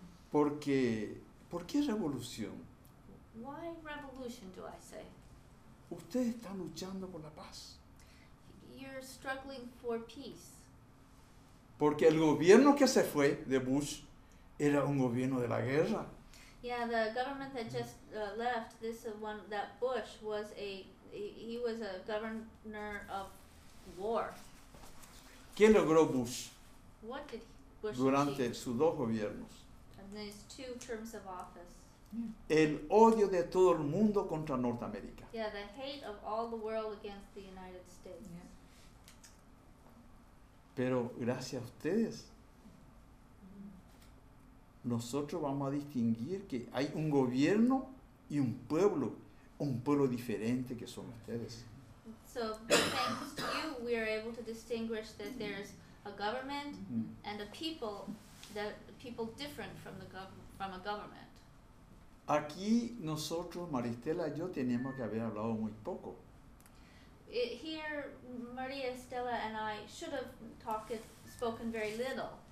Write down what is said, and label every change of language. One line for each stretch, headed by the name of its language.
Spanish: Porque, ¿por qué revolución?
English: Why revolution, do I say?
Spanish: Ustedes están luchando por la paz.
English: You're struggling for peace.
Spanish: Porque el gobierno que se fue de Bush era un gobierno de la guerra.
English: Yeah, the government that just left, this one, that Bush was he was a governor of war.
Spanish: ¿Qué logró Bush?
English: What did Bush
Spanish: durante
English: achieve?
Spanish: Sus dos gobiernos?
English: And his two terms of office. Yeah.
Spanish: El odio de todo el mundo contra Norteamérica.
English: Yeah, the hate of all the world against the United States. Yeah.
Spanish: Pero gracias a ustedes, nosotros vamos a distinguir que hay un gobierno y un pueblo diferente que son ustedes.
English: So, thanks to you, we are able to distinguish that there's a government and a people, that people different from from a government.
Spanish: Aquí nosotros, Maristela y yo, teníamos que haber hablado muy poco.
English: Here, María Estela and I should have spoken very little.